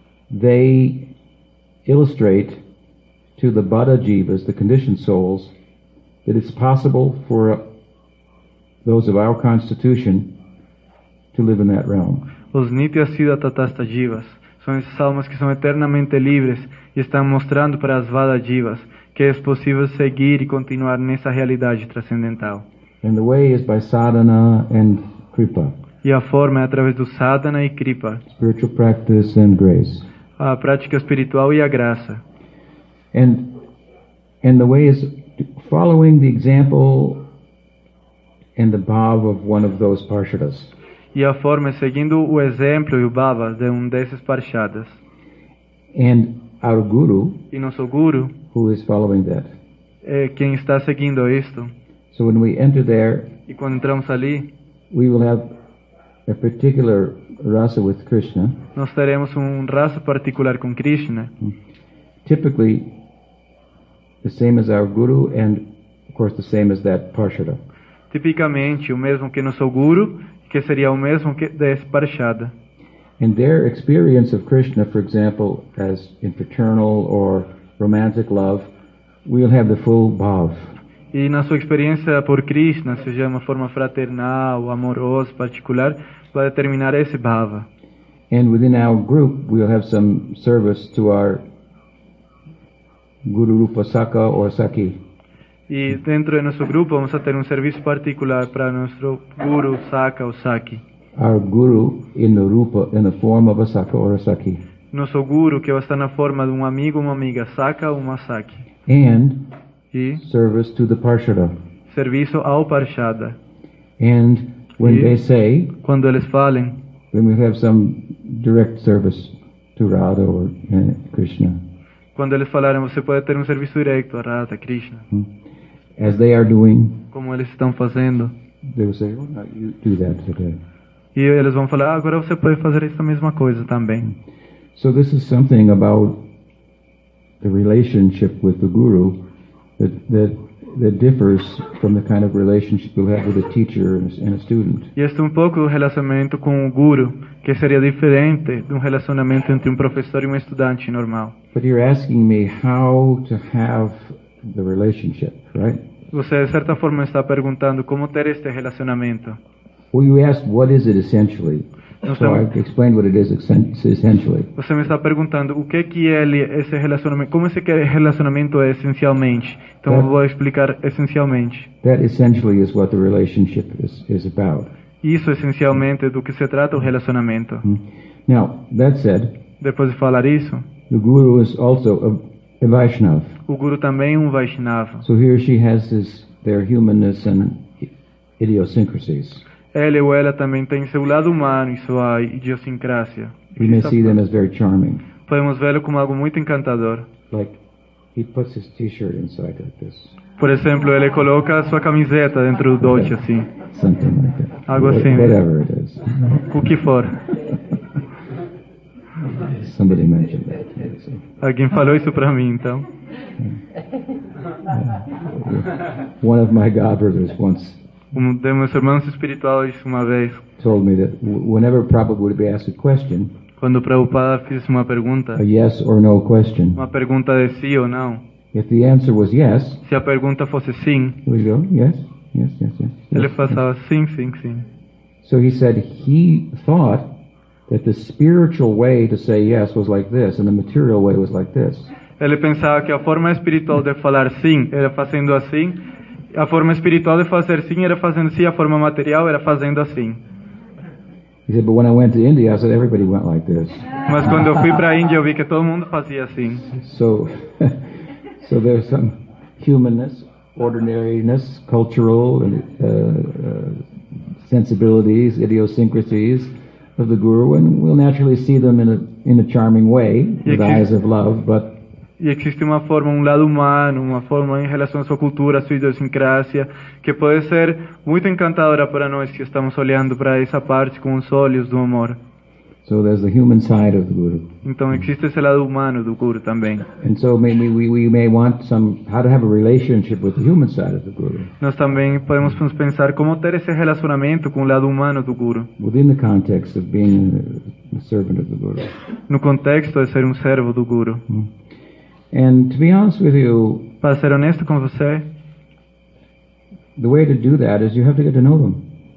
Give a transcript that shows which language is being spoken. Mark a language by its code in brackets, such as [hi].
[en] They illustrate to the Buddha Jivas, the conditioned souls, that it's possible for those of our constitution to live in that realm. [pt] Os Nityasiddha Tathasta Jivas são essas almas que são eternamente livres e estão mostrando para as Vadajivas que é possível seguir e continuar nessa realidade transcendental. [en] And the way is by sadhana and kripa. [pt] E a forma é através do sadhana e kripa. [en] Spiritual practice and grace. [pt] A prática espiritual e a graça. [en] And the way is following the example and the bhava of one of those parshadas. [pt] E a forma é seguindo o exemplo e o bhava de desses parshadas. [en] And our guru, [pt] e nosso guru, [en] who is following that. [pt] É quem está seguindo isto. [en] So when we enter there, [pt] e quando entramos ali, [en] we will have a particular rasa with Krishna. [pt] Nós teremos rasa particular com Krishna. [en] Typically, the same as our guru, and of course, the same as that parshada. [pt] Tipicamente, o mesmo que nosso guru, que seria o mesmo que desse parshada. [en] And their experience of Krishna, for example, as in fraternal or romantic love, we'll have the full bhav. [pt] E na sua experiência por Krishna, seja uma forma fraternal, amorosa, particular, vai determinar esse bhava. [en] And within our group, we'll have some service to our Guru Rupa Sakha or Sakhi. [pt] E dentro do nosso grupo, vamos a ter serviço particular para nosso Guru Sakha ou Sakhi. [en] Our guru in the rupa, in the form of a Sakha or a Sakhi. [pt] Nosso guru que vai estar na forma de amigo ou uma amiga, Sakha ou uma Sakhi. [en] And [pt] e [en] service to the Parshada. [pt] Serviço ao Parshada. [en] And when they say, [pt] quando eles falem, [en] when we have some direct service to Radha or Krishna. [pt] Quando eles falarem, você pode ter serviço direto a Radha, Krishna. [en] As they are doing, [pt] como eles estão fazendo, [en] they will say, well, you do that today. [pt] E eles vão falar, ah, agora você pode fazer essa mesma coisa também. [en] So this is something about the relationship with the guru that differs from the kind of relationship you'll have with a teacher and a student. [pt] E este um pouco o relacionamento com o guru, que seria diferente de relacionamento entre professor e estudante normal. [en] But you're asking me how to have the relationship, right? [pt] Você, de certa forma, está perguntando como ter este relacionamento. [en] Well, you asked, what is it essentially? So I explained what it is essentially. [pt] Você me está perguntando o que que é esse relacionamento, como esse relacionamento é essencialmente. Então eu vou explicar essencialmente. [en] That essentially is what the relationship is about. [pt] Isso essencialmente é do que se trata o relacionamento. [en] Now, that said, [pt] depois de falar isso, [en] the guru is also a Vaishnav. [pt] O guru também é Vaishnava. [en] So he or she has their humanness and idiosyncrasies. [pt] Ele ou ela também tem seu lado humano e sua idiosincrasia. [en] We may see them as very charming. [pt] Podemos vê-lo como algo muito encantador. [en] Like he puts his t-shirt inside like this. [pt] Por exemplo, ele coloca sua camiseta dentro do dojo, assim. [en] Something like that. [pt] Algo assim. [en] Whatever it is. [pt] O que for. [en] Somebody mentioned that. [pt] Alguém falou isso para mim, então. [en] One of my godbrothers once. [pt] Um de meus irmãos espirituais uma vez [en] told me that whenever Prabhupada would be asked a question, [pt] quando Prabhupada fez uma pergunta, [en] a yes or no question, [pt] uma pergunta de sim ou não, [en] if the answer was yes, [pt] se a pergunta fosse sim, [en] we go, yes, yes, yes, yes, yes, [pt] ele passava yes. Sim, sim, sim. [en] So he said he thought that the spiritual way to say yes was like this and the material way was like this. [pt] Ele pensava que a forma espiritual de falar sim era fazendo assim. A forma espiritual de fazer sim era fazendo sim, a forma material era fazendo assim. [en] He said, but when I went to India, I said everybody went like this. [pt] Mas quando eu fui para a Índia, eu vi que todo mundo fazia assim. [en] So there's some humanness, ordinariness, cultural and sensibilities, idiosyncrasies of the guru, and we'll naturally see them in a charming way, with eyes of love, but [pt] e existe uma forma, um lado humano, uma forma em relação à sua cultura, à sua idiosincrasia, que pode ser muito encantadora para nós que estamos olhando para essa parte com os olhos do amor. [en] So there's the human side of the guru. [pt] Então existe esse lado humano do guru também. [en] And so maybe we may want some how to have a relationship with the human side of the guru. [pt] Nós também podemos pensar como ter esse relacionamento com o lado humano do guru. [en] Within the context of being a servant of the guru. [pt] No contexto de ser servo do guru. [en] And to be honest with you, [pt] para ser honesto com você, [en] the way to do that is you have to get to know them.